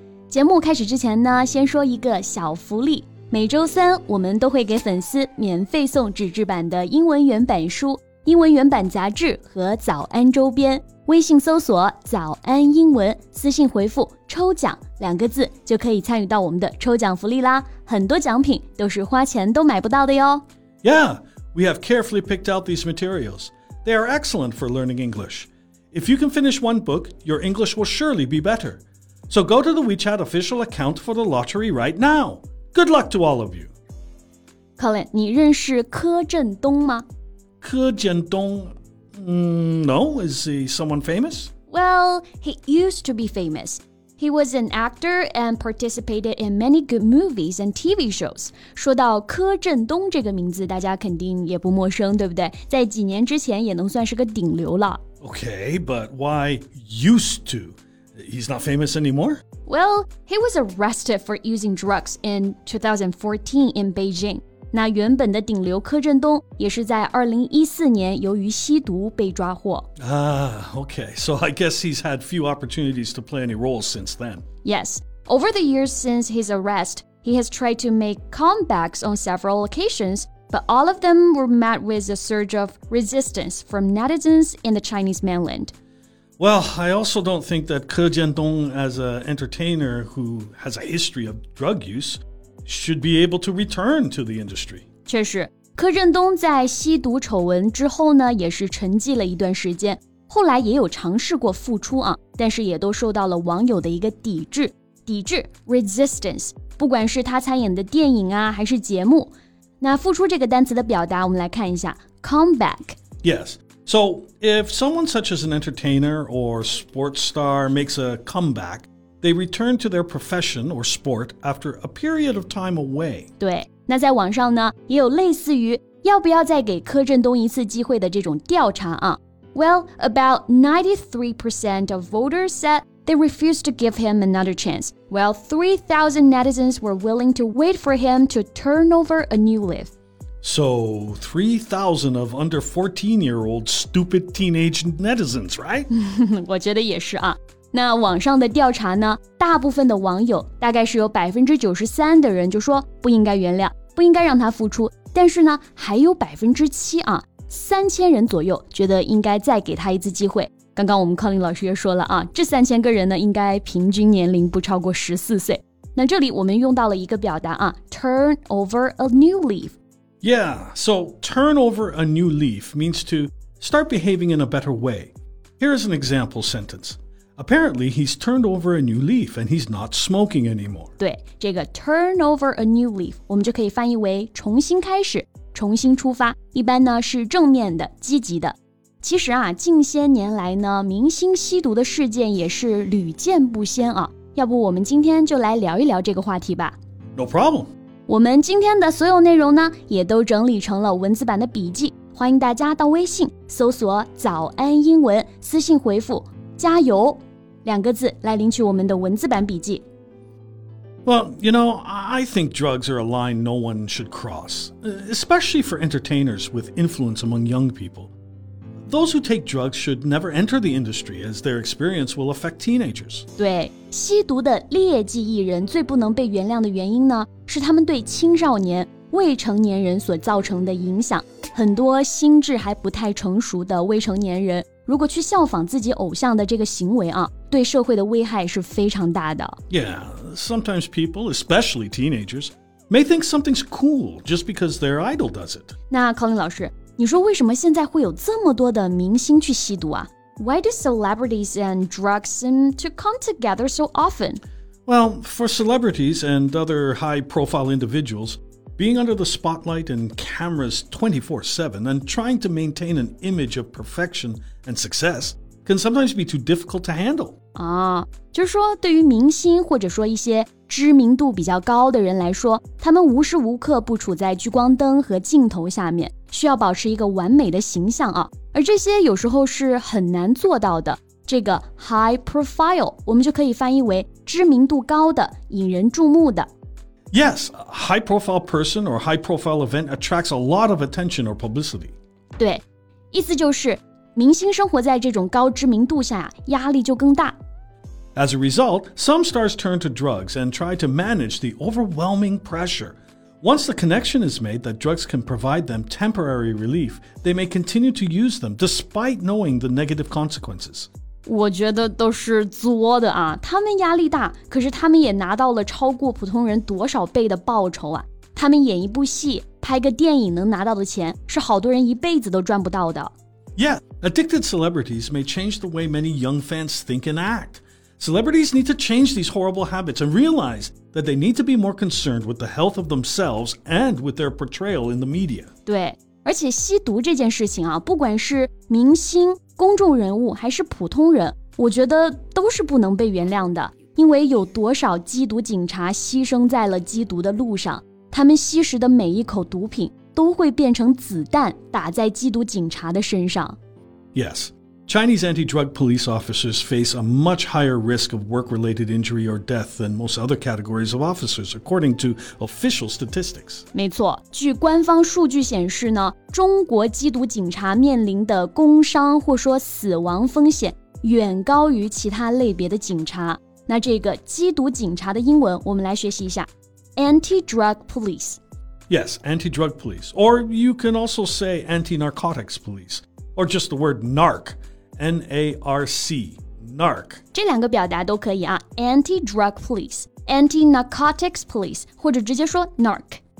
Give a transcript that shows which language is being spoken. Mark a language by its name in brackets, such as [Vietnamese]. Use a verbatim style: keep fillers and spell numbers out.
[Chinese] 节目开始之前呢，先说一个小福利。每周三我们都会给粉丝免费送纸质版的英文原版书、英文原版杂志和早安周边。微信搜索早安英文，私信回复抽奖两个字就可以参与到我们的抽奖福利啦。很多奖品都是花钱都买不到的哟。 [English] Yeah, we have carefully picked out these materials. They are excellent for learning English. If you can finish one book, your English will surely be better. So go to the WeChat official account for the lottery right now. Good luck to all of you. [Chinese] Colin, 你认识柯震东吗？ [English] 柯震东 mm, no, is he someone famous? Well, he used to be famous. He was an actor and participated in many good movies and T V shows. [Chinese] 说到柯震东这个名字，大家肯定也不陌生，对不对？在几年之前也能算是个顶流了。 [English] Okay, but why used to? He's not famous anymore? Well, he was arrested for using drugs in twenty fourteen in Beijing. [Chinese] 那原本的顶流柯震东也是在二零一四年由于吸毒被抓获。 [English] Ah, okay. So I guess he's had few opportunities to play any roles since then. Yes. Over the years since his arrest, he has tried to make comebacks on several occasions, but all of them were met with a surge of resistance from netizens in the Chinese mainland. Well, I also don't think that Ke Jiandong, as an entertainer who has a history of drug use, should be able to return to the industry. [Chinese] 确实，柯震东在吸毒丑闻之后呢，也是沉寂了一段时间，后来也有尝试过复出啊，但是也都受到了网友的一个抵制。抵制 resistance， 不管是他参演的电影啊，还是节目。那复出这个单词的表达，我们来看一下 comeback。 [English] Yes. So, if someone such as an entertainer or sports star makes a comeback, they return to their profession or sport after a period of time away. [Chinese] 对，那在网上呢，也有类似于要不要再给柯震东一次机会的这种调查啊。 [English] Well, about ninety-three percent of voters said they refused to give him another chance, while three thousand netizens were willing to wait for him to turn over a new leaf. So, three thousand of under fourteen-year-old stupid teenage netizens, right? [Chinese] 我觉得也是啊。那网上的调查呢，大部分的网友大概是有 百分之九十三 的人就说不应该原谅，不应该让他复出。但是呢，还有 百分之七 啊， 三千人左右觉得应该再给他一次机会。刚刚我们 Colin 老师也说了啊，这三千个人呢，应该平均年龄不超过十四岁。那这里我们用到了一个表达啊 , [English] turn over a new leaf。 Yeah, so turn over a new leaf means to start behaving in a better way. Here's an example sentence. Apparently, he's turned over a new leaf and he's not smoking anymore. [Chinese] 对，这个 [English] turn over a new leaf, [Chinese] 我们就可以翻译为重新开始，重新出发，一般呢是正面的，积极的。其实啊，近些年来呢，明星吸毒的事件也是屡见不鲜啊。要不我们今天就来聊一聊这个话题吧。 [English] No problem. [Chinese] 我们今天的所有内容呢，也都整理成了文字版的笔记，欢迎大家到微信搜索早安英文，私信回复加油两个字来领取我们的文字版笔记。 [English] Well, you know, I think drugs are a line no one should cross, especially for entertainers with influence among young people. Those who take drugs should never enter the industry as their experience will affect teenagers. [Chinese] 对，吸毒的劣迹艺人最不能被原谅的原因呢，是他们对青少年、未成年人所造成的影响。很多心智还不太成熟的未成年人，如果去效仿自己偶像的这个行为啊，对社会的危害是非常大的。 [English] Yeah, sometimes people, especially teenagers, may think something's cool just because their idol does it. [Chinese] 那 Colin 老师，你说为什么现在会有这么多的明星去吸毒啊？ [English] Why do celebrities and drugs seem to come together so often? Well, for celebrities and other high-profile individuals, being under the spotlight and cameras twenty-four seven and trying to maintain an image of perfection and success can sometimes be too difficult to handle. [Chinese] 啊，就是说对于明星或者说一些知名度比较高的人来说，他们无时无刻不处在聚光灯和镜头下面，需要保持一个完美的形象啊。而这些有时候是很难做到的。这个 [English] high profile [Chinese] 我们就可以翻译为知名度高的，引人注目的。 [English] Yes, a high profile person or high profile event attracts a lot of attention or publicity. [Chinese] 对，意思就是明星生活在这种高知名度下，压力就更大。 [English] As a result, some stars turn to drugs and try to manage the overwhelming pressure. Once the connection is made that drugs can provide them temporary relief, they may continue to use them despite knowing the negative consequences. [Chinese] 我觉得都是作的啊，他们压力大，可是他们也拿到了超过普通人多少倍的报酬啊！他们演一部戏、拍个电影能拿到的钱，是好多人一辈子都赚不到的。 [English] Yeah, addicted celebrities may change the way many young fans think and act. Celebrities need to change these horrible habits and realize that they need to be more concerned with the health of themselves and with their portrayal in the media. [Chinese] 对，而且吸毒这件事情啊，不管是明星、公众人物还是普通人，我觉得都是不能被原谅的，因为有多少缉毒警察牺牲在了缉毒的路上，他们吸食的每一口毒品都会变成子弹打在缉毒警察的身上。 [English] Yes, Chinese anti-drug police officers face a much higher risk of work-related injury or death than most other categories of officers, according to official statistics. [Chinese] 没错，据官方数据显示呢，中国缉毒警察面临的工伤或说死亡风险远高于其他类别的警察。那这个缉毒警察的英文我们来学习一下 [English] Anti-drug police. Yes, anti-drug police, or you can also say anti-narcotics police, or just the word narc, N A R C, narc. [Chinese] 这两个表达都可以啊 [English] anti-drug police, anti-narcotics police, [Chinese] 或者直接说 narc.